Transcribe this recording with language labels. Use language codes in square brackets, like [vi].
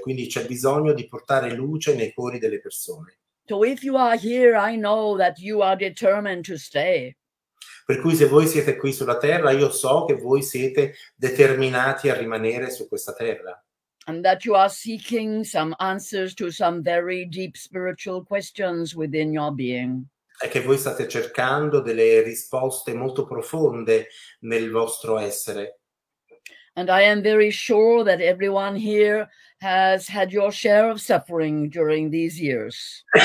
[it] Quindi c'è bisogno di portare luce nei cuori delle persone. [en] So if you are here, I know that you are determined to stay. [it] Per cui se voi siete qui sulla terra, io so che voi siete determinati a rimanere su questa terra. [en] And that you are seeking some answers to some very deep spiritual questions within your being. [it] È che voi state cercando delle risposte molto profonde nel vostro essere. [en] And I am very sure that everyone here has had your share of suffering during these years.